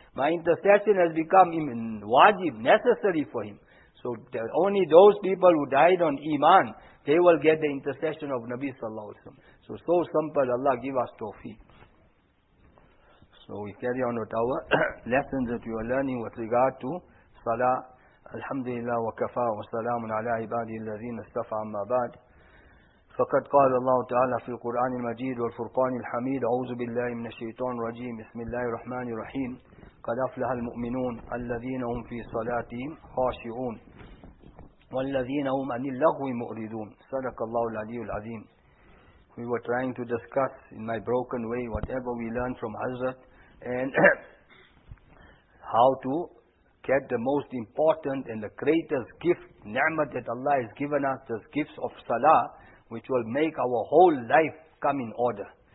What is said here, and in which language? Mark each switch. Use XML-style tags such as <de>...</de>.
<en>My intercession has become wajib, necessary for him. So only those people who died on Iman, they will get the intercession of Nabi Sallallahu Alaihi Wasallam. So simple, Allah give us tawfiq. So we carry on with our lessons that we are learning with regard to Salah.</en> <ar>الحمد لله وكفى وسلام على عباده الذين استفعى ما بعد فقد قال الله تعالى في القرآن المجيد والفرقان الحميد أعوذ بالله من الشيطان الرجيم بسم الله الرحمن الرحيم قد أفلح المؤمنون الذين هم في صلاتهم خاشعون والذين هم عن اللغو مؤردون صدق الله العلي العظيم.</ar> <en>We were trying to discuss in my broken way whatever we learned from Hazrat and how to get the most important and the greatest gift, ni'mat that Allah has given us, the gifts of salah, which will make our whole life come in order.</en>